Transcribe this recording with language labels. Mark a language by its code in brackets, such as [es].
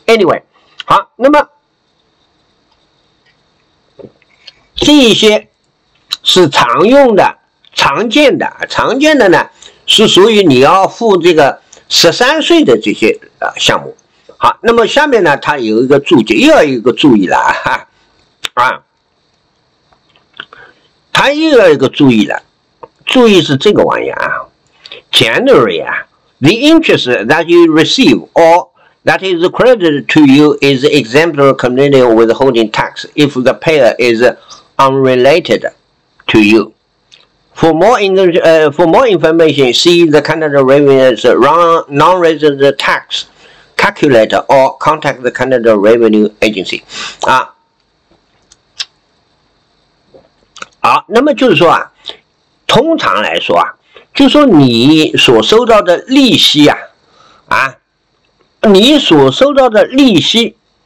[zh] Anyway, 好，那么这些是常用的常见的呢是属于你要付这个13岁的这些项目。好，那么下面呢它有一个注解，又要一个注意了啊。他又要一个注意了，注意是这个玩意啊。 [en] Generally, the interest that you receive or that is credited to you is exempt from Canadian withholding tax if the payer is unrelated to you. For more information, see the Canada Revenue's non-resident tax calculator or contact the Canada Revenue Agency. [zh] 啊。好，那么就是说啊，通常来说啊，就说你所收到的利息啊，啊，你所收到的利息，